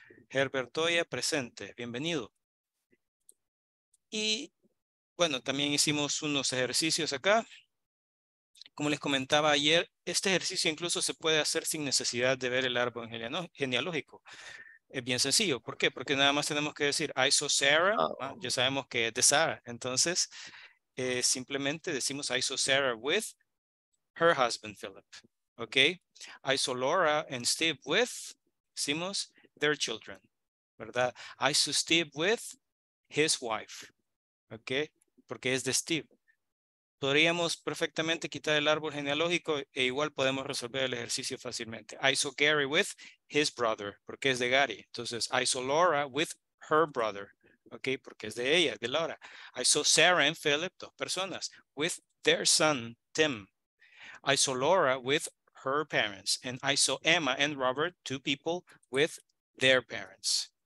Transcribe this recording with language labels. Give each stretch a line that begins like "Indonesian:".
Spanish: Herbert Toya, presente. Bienvenido. Y, bueno, también hicimos unos ejercicios acá. Como les comentaba ayer, este ejercicio incluso se puede hacer sin necesidad de ver el árbol genealógico. Es bien sencillo. ¿Por qué? Porque nada más tenemos que decir,
English: I saw Sarah.
Spanish: Oh. Ya sabemos que es de Sarah. Entonces, simplemente decimos,
English: I saw Sarah with her husband, Philip. Ok, I saw Laura and Steve with,
Spanish: decimos,
English: their children, ¿verdad? I saw Steve with his wife, ¿ok?
Spanish: Porque es de Steve. Podríamos perfectamente quitar el árbol genealógico e igual podemos resolver el ejercicio fácilmente.
English: I saw Gary with his brother,
Spanish: porque es de Gary. Entonces,
English: I saw Laura with her brother, ¿ok?
Spanish: Porque es de ella, de Laura.
English: I saw Sarah and Philip,
Spanish: dos personas,
English: with their son, Tim. I saw Laura with her parents, and I saw Emma and Robert, two people, with their parents.